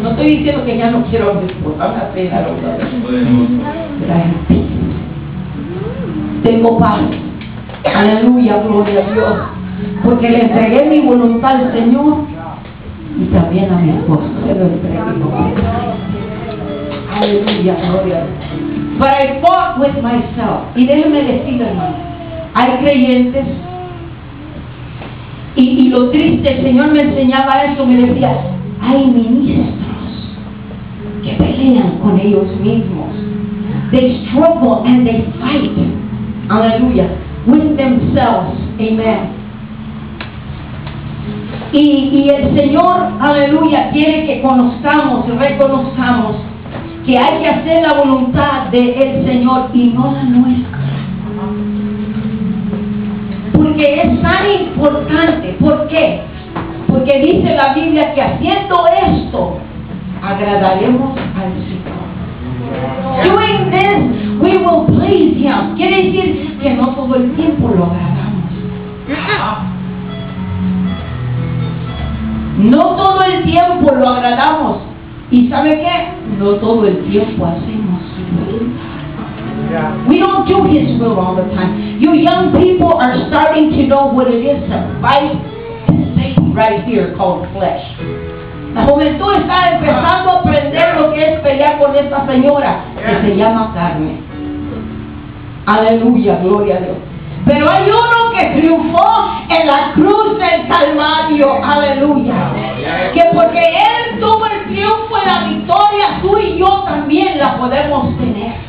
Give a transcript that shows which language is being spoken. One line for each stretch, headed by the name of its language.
Spanish: No estoy diciendo que ya no quiero disfrutar la pena, tengo paz. Aleluya, gloria a Dios, porque le entregué mi voluntad al Señor y también a mi esposo se lo entregué. Aleluya, gloria a Dios.
English: But I fought with myself.
Spanish: Y déjenme decir, hermano, hay creyentes. Y lo triste, el Señor me enseñaba esto, me decía, hay ministros que pelean con ellos mismos.
English: They struggle and they fight, aleluya, with themselves, amen.
Spanish: Y el Señor, aleluya, quiere que conozcamos, reconozcamos que hay que hacer la voluntad del Señor y no la nuestra. Porque es tan importante. ¿Por qué? Porque dice la Biblia que haciendo esto agradaremos al Señor.
English: Doing this we will please Him.
Spanish: Quiere decir que no todo el tiempo lo agradamos. No todo el tiempo lo agradamos. ¿Y sabe qué? No todo el tiempo hacemos su voluntad.
English: We don't do His will all the time. You young people are starting to know what it is to fight this thing right here called flesh.
Spanish: La juventud está empezando a aprender lo que es pelear con esta señora que se llama carne. Aleluya, gloria a Dios. Pero hay uno que triunfó en la cruz del Calvario. Aleluya. Que porque él tuvo el triunfo y la victoria, tú y yo también la podemos tener.